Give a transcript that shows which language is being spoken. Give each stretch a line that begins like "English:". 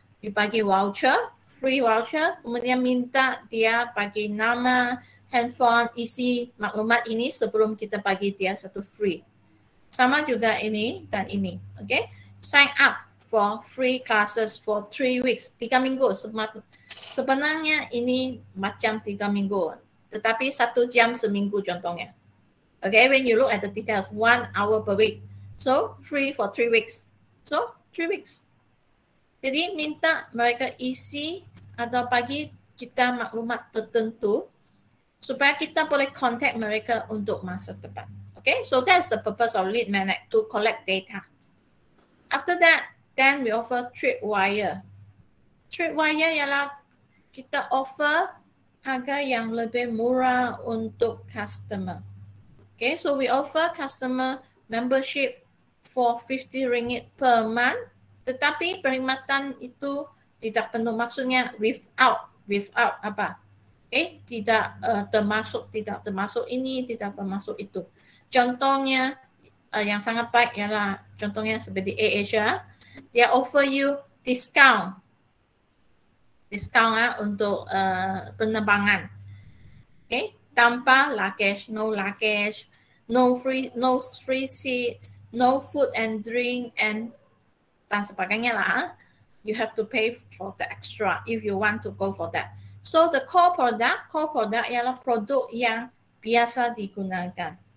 Malay: You bagi voucher, free voucher. Kemudian minta dia bagi nama, handphone, isi maklumat ini sebelum kita bagi dia satu free. Sama juga ini dan ini.
English: Okay, sign up for free classes for 3 weeks.
Malay: 3 minggu sebenarnya ini macam 3 minggu. Tetapi 1 jam seminggu contohnya.
English: Okay, when you look at the details, 1 hour per week. So, free for 3 weeks. So, 3 weeks.
Malay: Jadi, minta mereka isi atau bagi kita maklumat tertentu supaya kita boleh contact mereka untuk masa depan.
English: Okay, so that's the purpose of lead magnet, to collect data. After that, then we offer tripwire.
Malay: Tripwire ialah kita offer harga yang lebih murah untuk customer.
English: Okay, so we offer customer membership for 50 ringgit per month.
Malay: Tetapi perkhidmatan itu tidak penuh, maksudnya without apa? Tidak termasuk, tidak termasuk ini, tidak termasuk itu. Contohnya yang sangat baik ialah contohnya seperti AirAsia, dia offer you discount, discount untuk penerbangan.
English: Tanpa luggage, no luggage, no free seat, no food and drink, and
Malay: dan sebagainya lah.
English: You have to pay for the extra if you want to go for that.
Malay: So the core product ialah produk yang biasa digunakan.